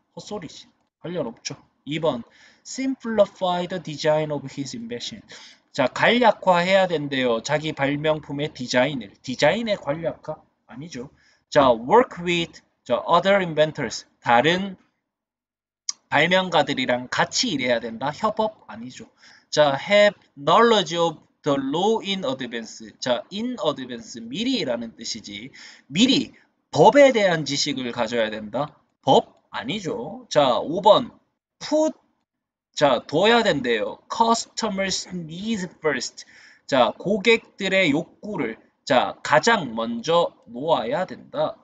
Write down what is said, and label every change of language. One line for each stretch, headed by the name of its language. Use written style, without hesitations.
Korean: 헛소리지. 할일 없죠. 2번.
English: simplify the design of his invention.
Korean: 자, 간략화해야 된대요. 자기 발명품의 디자인을. 디자인의 간략화? 아니죠.
English: 자, work with the other inventors.
Korean: 다른 발명가들이랑 같이 일해야 된다. 협업? 아니죠.
English: 자, have knowledge of the law in advance.
Korean: 자,
English: in advance,
Korean: 미리라는 뜻이지. 미리, 법에 대한 지식을 가져야 된다. 법? 아니죠. 자, 5번, put, 자, 둬야 된대요.
English: customers needs first.
Korean: 자, 고객들의 욕구를, 자, 가장 먼저 놓아야 된다.